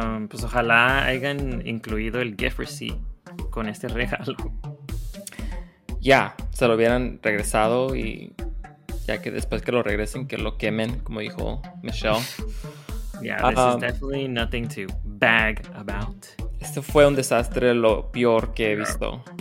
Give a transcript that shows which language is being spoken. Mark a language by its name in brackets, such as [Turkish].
[Spanish] Pues ojalá hayan incluido el gift receipt con este regalo. Ya, se lo hubieran regresado y ya que después que lo regresen, que lo quemen, como dijo Michelle. [English] Yeah, this is definitely nothing to bag about. [Spanish] Este fue un desastre, lo peor que he visto.